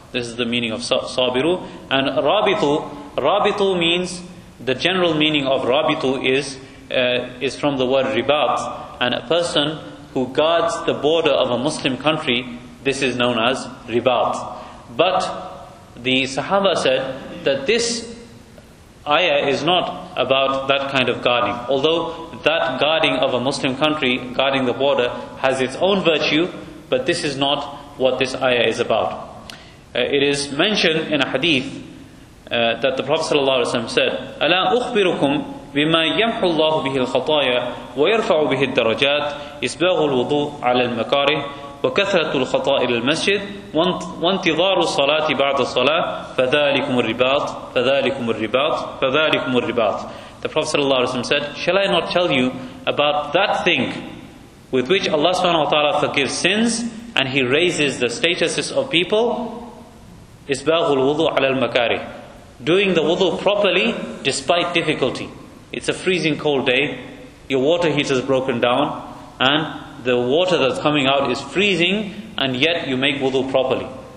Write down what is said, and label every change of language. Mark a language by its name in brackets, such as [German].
[English] This is the meaning of sabiru. And rabitu means, the general meaning of rabitu is from the word ribat, and a person who guards the border of a Muslim country, this is known as ribat. But the Sahaba said that this ayah is not about that kind of guarding. Although that guarding of a Muslim country, guarding the border, has its own virtue, but this is not what this ayah is about. It is mentioned in a hadith that the Prophet sallallahu alaihi wasallam said, [Arabic] أَلَا أُخْبِرُكُمْ بِمَا يَمْحُ اللَّهُ بِهِ الْخَطَايَا وَيَرْفَعُ بِهِ الدَّرَجَاتِ إِسْبَاغُ الْوُضُوءِ عَلَى الْمَكَارِهِ وَكَثْرَةُ الْخَطَاءِ لِلْمَسْجِدِ وَانْتِظَارُ الصَّلَاةِ بَعْدَ الصَّلَاةِ فَذَلِكُمُ الرِّبَاطِ فَذَلِكُمُ الرِّبَاطِ فَذَلِكُمُ الرِّبَاطِ. [English] The Prophet sallallahu alaihi wasallam said, shall I not tell you about that thing with which Allah subhanahu wa ta'ala forgives sins and he raises the statuses of people? [Arabic] إِسْبَاغُ الْوُضُوءِ عَلَى الْمَكَارِهِ. [English] Doing the wudu properly despite difficulty. It's a freezing cold day, your water heater is broken down, and the water that's coming out is freezing, and yet you make wudu properly.